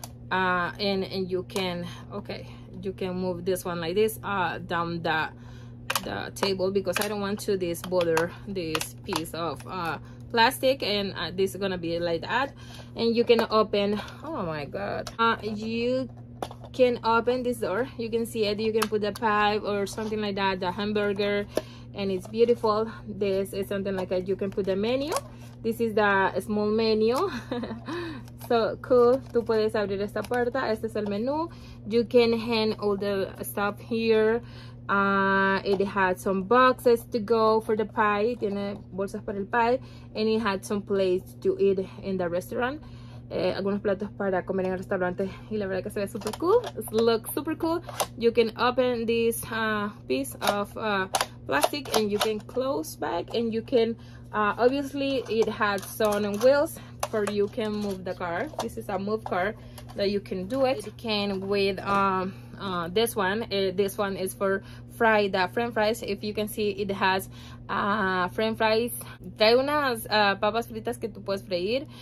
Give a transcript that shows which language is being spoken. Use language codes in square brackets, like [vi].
[en] And you can, okay, you can move this one like this down the table, because I don't want to bother this piece of plastic, and this is gonna be like that. And you can open, oh my god, you can open this door, you can see it, you can put the pipe or something like that, the hamburger, and it's beautiful. This is something like that, you can put the menu. This is the small menu. So cool. [es] Tú puedes abrir esta puerta, este es el menú. [en] You can hang all the stuff here. It had some boxes to go for the pie, [es] tiene bolsas para el pie, [en] and it had some place to eat in the restaurant, [es] algunos platos para comer en el restaurante, y la verdad que se ve super cool. [en] It looks super cool. You can open this piece of plastic, and you can close back, and you can obviously, it had some wheels for you can move the car. This is a move car that you can do it. It can with this one. This one is for fry the french fries. If you can see, it has french fries. [es] Trae unas papas fritas que tú puedes freír.